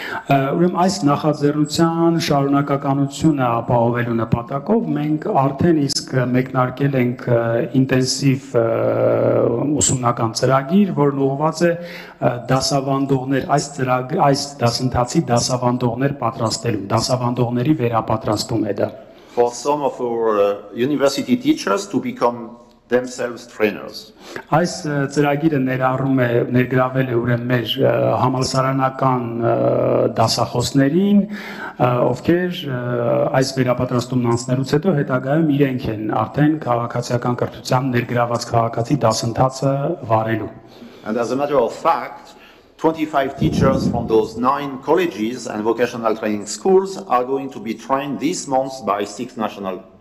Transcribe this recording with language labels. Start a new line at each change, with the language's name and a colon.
Armenian: Ուրեմն այս նախաձեռնության շարունակականությունը ապահովելու նպատակով մենք արդեն իսկ մեկնարկել ենք ինտենսիվ ուսումնական ծրագիր, որն ուղղված է դասավանդողներ այս ծրագրի, այս դասընթացի դասավանդողներ պատրաստելու, դասավանդողների վերապատրաստում է դա.
English: For some of our university teachers to become themselves trainers.
Armenian: Այս ծրագիրը ներառում է ներգրավել ուրեմն մեր համալսարանական դասախոսներին, ովքեր այս վերապատրաստումն անցնելուց հետո հետագայում իրենք են արդեն քաղաքացիական կրթության ներգրաված քաղաքացի դասընթացը վարելու.
English: And as a matter of fact, 25 teachers from those 9 colleges and vocational training schools are going to be trained this month by 6 national